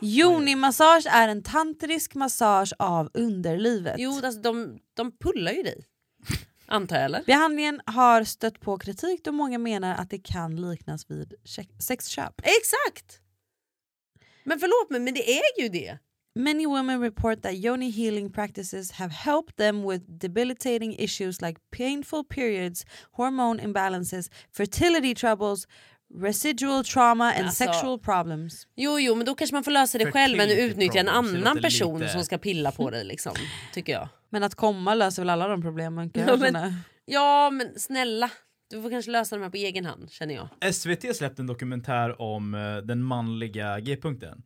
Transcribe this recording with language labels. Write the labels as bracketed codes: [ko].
[sv] Joni-massage är en tantrisk massage av underlivet. Jo, alltså de pullar ju dig. Antar jag, eller? Behandlingen har stött på kritik och många menar att det kan liknas vid sexköp. Exakt! Men förlåt mig, men det är ju det. [en] Many women report that Yoni healing practices have helped them with debilitating issues like painful periods, hormone imbalances, fertility troubles, residual trauma and alltså, sexual problems. [sv] Jo, men då kanske man får lösa det själv men utnyttja en annan person lite som ska pilla på det liksom, tycker jag. Men att komma löser väl alla de problemen? Ja, men snälla. Du får kanske lösa dem här på egen hand, känner jag. SVT släppte en dokumentär om den manliga G-punkten.